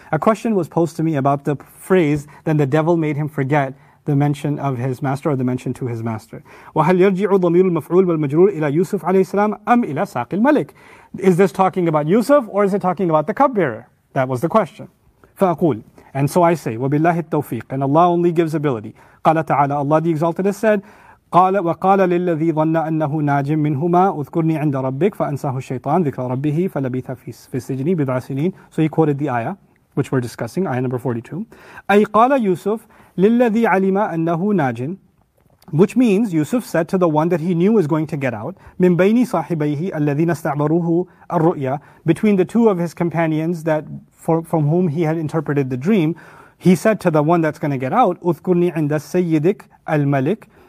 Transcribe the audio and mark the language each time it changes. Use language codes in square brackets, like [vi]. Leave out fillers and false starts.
[en] A question was posed to me about the phrase, then the devil made him forget the mention of his master or the mention to his master. [ar] وَهَلْ يَرْجِعُ ضَمِيرُ الْمَفْعُولُ وَالْمَجْرُورُ إِلَى يُوسُفْ عَلَيْهِ السَّلَامُ أَمْ إِلَى سَاقِ الْمَلِكِ. [en] Is this talking about Yusuf or is it talking about the cupbearer? That was the question. [ar] فَأَقُولُ. [en] And so I say, [ar] وَبِاللَّهِ التَّوْفِيقِ. [en] And Allah only gives ability. [ar] قَالَ تَعَالَى. [en] Allah the Exalted has said, [ar] وَقَالَ لِلَّذِي ظَنَّ أَنَّهُ نَاجٍ مِّنْهُمَا اُذْكُرْنِي عِنْدَ رَبِّكَ فَأَنْسَاهُ الشَّيْطَانُ ذِكْرَ رَبِّهِ فَلَبِيثَ فِي السِّجْنِ بِضْعَ سِنِينَ. [en] So he quoted the ayah, which we're discussing, ayah number 42. [ar] أي قَالَ يُوسُفْ لِلَّذِي عَلِمَ أَنَّهُ نَاجٍ. [en] Which means, Yusuf said to the one that he knew was going to get out, [ar] مِن بَيْنِ صَاحِبَيْهِ الَّذِينَ اسْتَعْبَرُوهُ الرُّؤْيَا. [en] Between the two of his companions that from whom he had interpreted the dream, he said to the one that's going to get out, [ar] اُذْكُرْنِي عِنْدَ سَيِّدِكَ الْمَلِكَ.